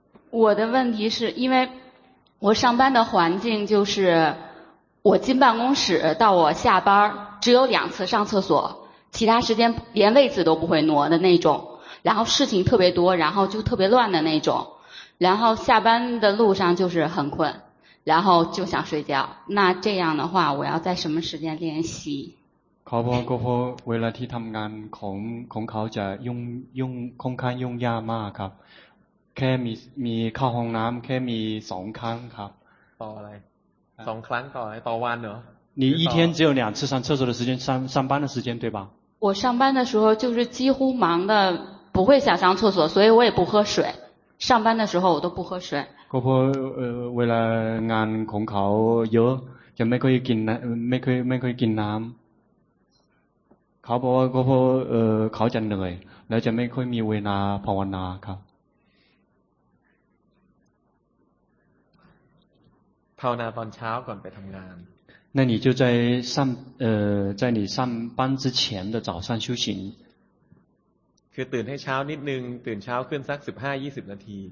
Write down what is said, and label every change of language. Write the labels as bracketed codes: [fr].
[zh] 我的问题是因为我上班的环境就是我进办公室到我下班只有两次上厕所其他时间连位子都不会挪的那种然后事情特别多然后就特别乱的那种然后下班的路上就是很困然后就想睡觉那这样的话我要在什么时间练习 [th] ขาบอกว่าเวลาที่ทำงานของเขาจะยุ่งค่อนข้างยุ่งยากมากครับแค่มีเข้าห้องน้ำแค่มีสองครั้งครับ ต่ออะไรสองครั้งต่ออะไรต่อวันเหรอ [zh] 你一天只有两次上厕所的时间上班的时间对吧我上班的时候就是几乎忙的不会想上厕所所以我也不喝水上班的时候我都不喝水 [th] ครับเวลางานของเขาเยอะจะไม่เคยกินน้ำเขาบอกว่าก็เพราะเขาจะเหนื่อยแล้วจะไม่ค่อยมีเวลาภาวนาครับ ภาวนาตอนเช้าก่อนไปทำงาน [zh] 那你就在上在你上班之前的早上修行 [th] คือตื่นให้เช้านิดนึงตื่นเช้าขึ้นสัก15-20นาที